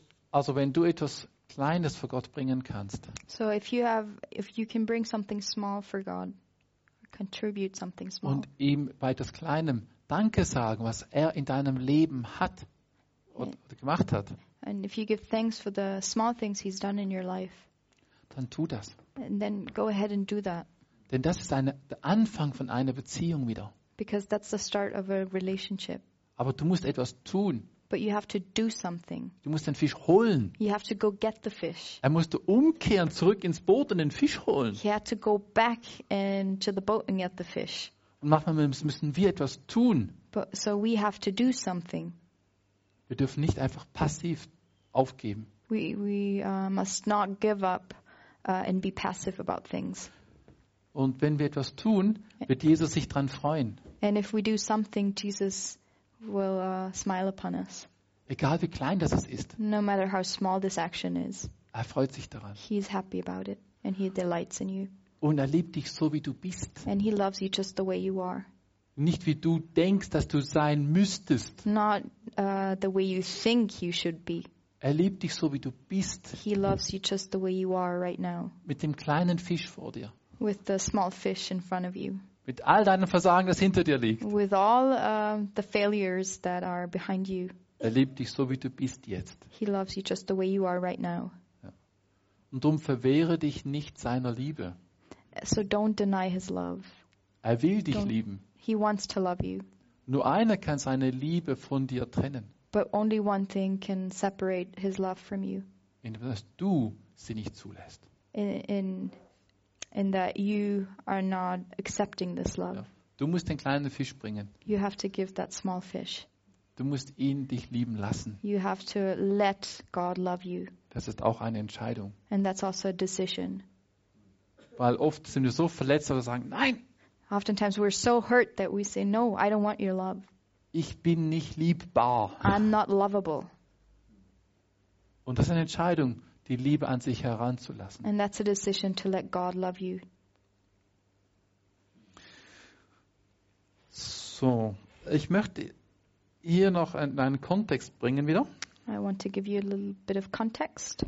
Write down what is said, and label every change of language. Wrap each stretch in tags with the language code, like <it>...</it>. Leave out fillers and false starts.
<de>Also wenn du etwas Kleines für Gott bringen kannst.</de> <en>So if you can bring something small for God, contribute something small.</en> <de>Und ihm bei das Kleinem Danke sagen, was er in deinem Leben hat oder gemacht hat.</de> <en>And if you give thanks for the small things he's done in your life.</en> <de>Dann tu das.</de> <en>And then go ahead and do that.</en> <de>Denn das ist der Anfang von einer Beziehung wieder.</de> <en>Because that's the start of a relationship.</en> <de>Aber du musst etwas tun.</de> <en>But you have to do something.</en> <de>Du musst den Fisch holen.</de> <en>You have to go get the fish.</en> <de>Er musste umkehren, zurück ins Boot und den Fisch holen.</de> <en>He had to go back into the boat and get the fish.</en> <de>Und manchmal müssen wir etwas tun.</de> <en>But, so we have to do something.</en> <de>Wir dürfen nicht einfach passiv aufgeben.</de> <en>We must not give up and be passive about things.</en> <de>Und wenn wir etwas tun, wird Jesus sich dran freuen.</de> <en>And if we do something, Jesus will smile upon us.</en> <de>Egal wie klein das ist.</de> <en>No matter how small this action is.</en> <de>Er freut sich daran.</de> <en>He is happy about it and he delights in you.</en> <de>Und er liebt dich so wie du bist.</de> <en>And he loves you just the way you are.</en> <de>Nicht wie du denkst, dass du sein müsstest.</de> <en>Not the way you think you should be.</en> <de>Er liebt dich so wie du bist.</de> <en>He loves you just the way you are right now.</en> <de>Mit dem kleinen Fisch vor dir.</de> <en>With the small fish in front of you.</en> <de>Mit all deinen Versagen, das hinter dir liegt.</de> <en>With all the failures that are behind you.</en> <de>Er liebt dich so, wie du bist jetzt.</de> <en>He loves you just the way you are right now.</en> <de>Ja. Und darum verwehre dich nicht seiner Liebe.</de> <en>So don't deny his love.</en> <de>Er will dich lieben.</de> <en>He wants to love you.</en> <de>Nur einer kann seine Liebe von dir trennen.</de> <en>But only one thing can separate his love from you.</en> <de>Indem du sie nicht zulässt.</de> <en>In that you are not accepting this love.</en> <de>Ja. Du musst den kleinen Fisch bringen.</de> <en>You have to give that small fish.</en> <de>Du musst ihn dich lieben lassen.</de> <en>You have to let God love you.</en> <de>Das ist auch eine Entscheidung.</de> <en>And that's also a decision.</en> <de>Weil oft sind wir so verletzt, dass wir sagen, nein.</de> <en>Oftentimes we're so hurt that we say, no, I don't want your love.</en> <de>Ich bin nicht liebbar.</de> <en>I'm not lovable.</en> <de>Und das ist eine Entscheidung. Die Liebe an sich heranzulassen.</de> <en>And that's a decision to let God love you.</en> <de>So, ich möchte hier noch einen Kontext bringen wieder.</de> <en>I want to give you a little bit of context.</en>